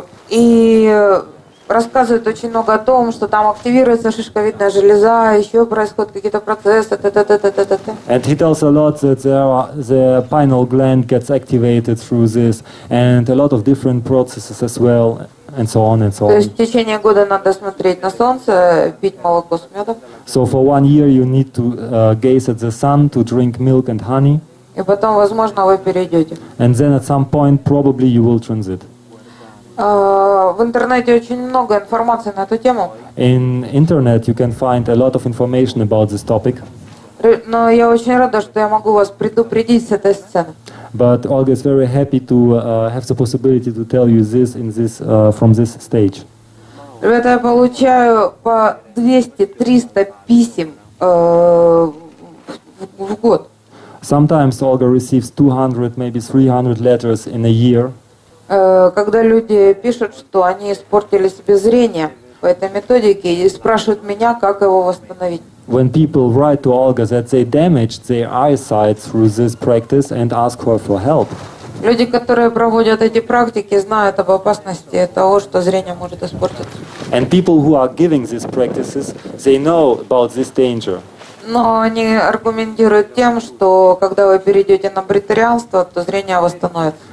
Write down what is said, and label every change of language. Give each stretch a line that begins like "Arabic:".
Russian: И рассказывает очень много о том, что там активируется шишковидная железа, еще происходят какие-то процессы.
English: And he tells a lot that the pineal gland gets activated through this, and a lot of different processes as well, and so on and so on.
Russian: То есть в течение года надо смотреть на солнце, пить молоко с медом.
English: So for 1 year you need to gaze at the sun to drink milk and honey.
Russian: И потом, возможно, вы перейдете.
English: And then at some point probably you will transit.
Russian: В интернете очень много информации на эту тему.
English: In internet you can find a lot of information about this topic.
Russian: Но я очень рада, что я могу вас предупредить с этой сцены.
English: But Olga is very happy to have the possibility to tell you this in this from this stage.
Russian: Ребята, я получаю по 200-300 писем в год.
English: Sometimes Olga receives 200, maybe 300 letters in a year.
Russian: Когда люди пишут, что они испортили себе зрение по этой методике и спрашивают меня, как его восстановить.
English: When people write to Olga that they damaged their eyesight through this practice and ask her for help.
Russian: Люди, которые проводят эти практики, знают об опасности того, что зрение может испортиться.
English: And people who are giving these practices, they know about this danger.
Russian: Но они аргументируют тем, что когда вы перейдете на бритарианство, то зрение восстановится.